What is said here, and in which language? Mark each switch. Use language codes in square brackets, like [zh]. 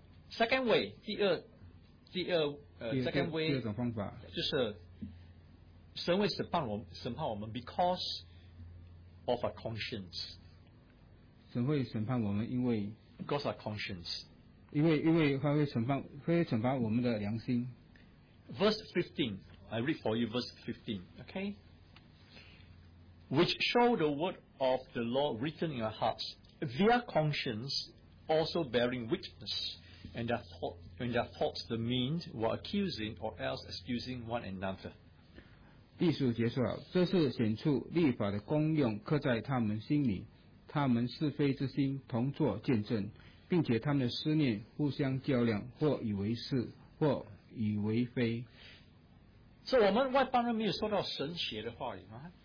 [en] Second way， [zh] 第二种方法就是神会审判我们 [en] because of our conscience。 [zh] 神会审判我们因为 [en] because of our conscience， [zh] 因为他会审判我们的良心。 [en] Verse 15， I read for you verse 15， OK， which show the word of the law written in our hearts， their conscience also bearing witness and their thoughts the means were accusing or else excusing one another。 [zh] 第十五节说了，这是显出律法的功用刻在他们心里，他们是非之心同作见证，并且他们的思念互相较量，或以为是或以为非。所以我们外邦人没有说到神写的话语吗？